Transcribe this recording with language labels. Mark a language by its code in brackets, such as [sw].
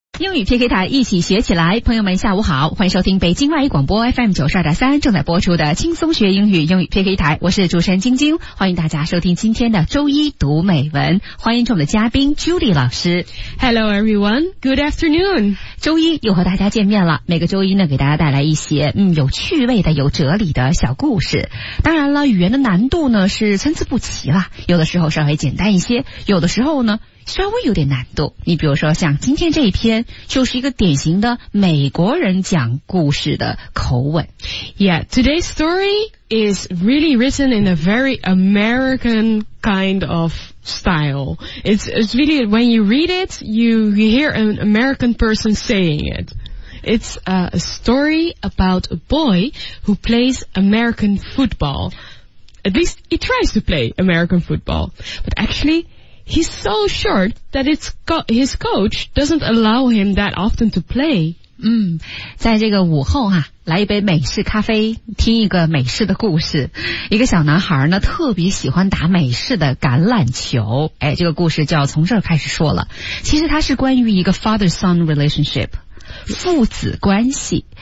[zh] 英语 PK 台一起学起来，朋友们下午好，欢迎收听北京外语广播 FM92.3 正在播出的轻松学英语英语 PK 台，我是主持人晶晶，欢迎大家收听今天的周一读美文，欢迎我们的嘉宾 Julie 老师。 [en] Hello everyone, good afternoon. [zh] 周一又和大家见面了，每个周一呢给大家带来一些有趣味的有哲理的小故事。当然了，语言的难度呢是参差不齐了，有的时候稍微简单一些，有的时候呢稍微有点难度。你比如说像今天这一篇就是一个典型的美国人讲故事的口吻。 [en] Yeah, today's story is really written in a very American kind of style. It's really, when you read it, you hear an American person saying it. It's a story about a boy who plays American football. At least he tries to play American football. But actually,He's so short that his coach doesn't allow him that often to play. [zh] 在这个午后啊，来一杯美式咖啡，听一个美式的故事。一个小男孩呢，特别喜欢打美式的橄榄球。这个故事就要从这儿开始说了。其实它是关于一个 [en] father-son relationship， [zh] 父子关系。